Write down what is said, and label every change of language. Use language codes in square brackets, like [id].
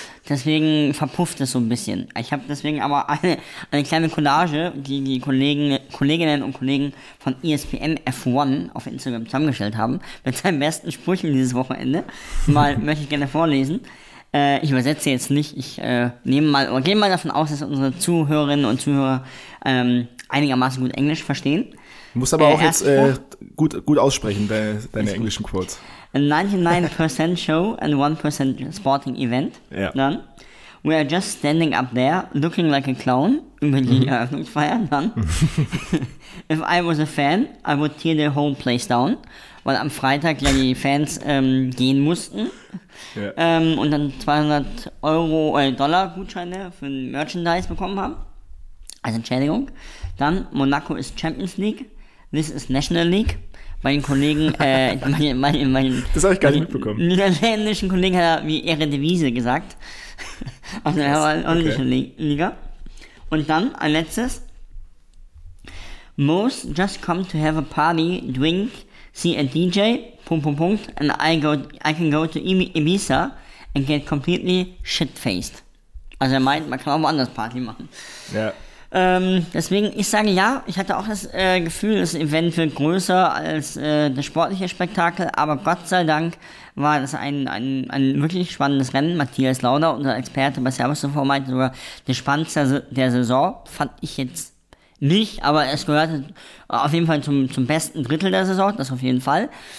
[de] Deswegen verpufft es so ein bisschen. Ich habe deswegen aber eine kleine Collage, die die Kolleginnen und Kollegen von ESPN F1 auf Instagram zusammengestellt haben, mit seinen besten Sprüchen dieses Wochenende. Mal möchte ich gerne vorlesen. Ich übersetze jetzt nicht. Ich nehme mal oder gehe mal davon aus, dass unsere Zuhörerinnen und Zuhörer einigermaßen gut Englisch verstehen. Du musst aber auch jetzt gut aussprechen, deine englischen Quotes. [en] 99% Show and 1% Sporting Event. [de] Ja. Dann, [en] we are just standing up there, looking like a clown, [de] über die Eröffnungsfeier. Dann, [en] if I was a fan, I would tear the whole place down, [de] weil am Freitag ja die Fans gehen mussten. Ja. Und dann 200 Dollar Gutscheine für ein Merchandise bekommen haben. Also Entschädigung. Dann, Monaco ist Champions League. [en] This is National League. [de] Meinen Kollegen, das habe ich gar nicht mitbekommen. Niederländischen Kollegen hat er wie Eredivisie gesagt. Also er war eine ordentliche Liga. Und dann ein letztes. [en] Most just come to have a party, drink, see a DJ, and I can go to Ibiza and get completely shit-faced. [de] Also er meint, man kann auch woanders Party machen. Ja. Deswegen, ich sage ja, ich hatte auch das Gefühl, das Event wird größer als das sportliche Spektakel, aber Gott sei Dank war das ein wirklich spannendes Rennen. Matthias Lauda, unser Experte bei Servus TV, meinte sogar, der spannendste der Saison, fand ich jetzt nicht, aber es gehörte auf jeden Fall zum besten Drittel der Saison, das auf jeden Fall.